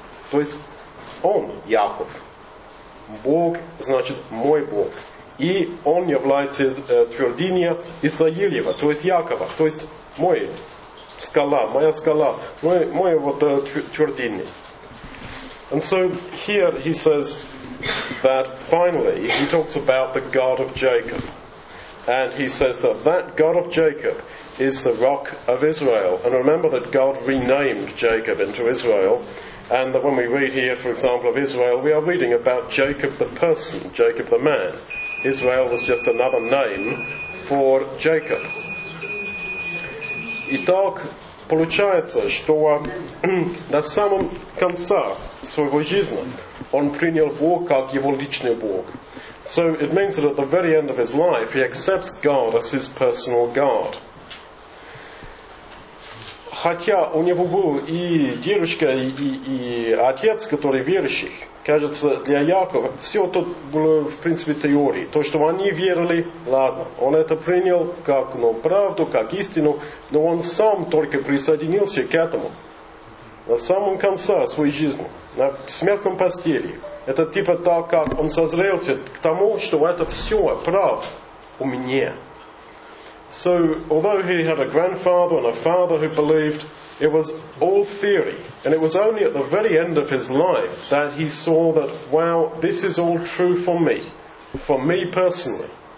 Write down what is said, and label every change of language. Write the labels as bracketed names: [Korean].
[Russian] То есть он Яков. Бог значит мой Бог. И он является твердыня Израилева, то есть Якова, то есть мой скала, моя скала, мой вот твердыня. [English] And so here he says that finally he talks about the God of Jacob. And he says that God of Jacob is the rock of Israel. And remember that God renamed Jacob into Israel. And that when we read here, for example, of Israel, we are reading about Jacob the person, Jacob the man. Israel was just another name for Jacob. [Russian] Итак, получается, что на самом конце своего жизни он принял Бог как его личный Бог. [English] So it means that at the very end of his life, he accepts God as his personal God. [Russian] хотя у него был и дедушка, и отец, который верующий, кажется, для Якова все это было, в принципе, теорией. То, что они верили, ладно, он это принял как правду, как истину, но он сам только присоединился к этому. На самом конце своей жизни, на смертном постели, это типа так, как он созрелся к тому, что это все правда у меня. [English] So, although he had a grandfather and a father who believed, it was all theory. And it was only at the very end of his life that he saw that, wow, this is all true for me personally.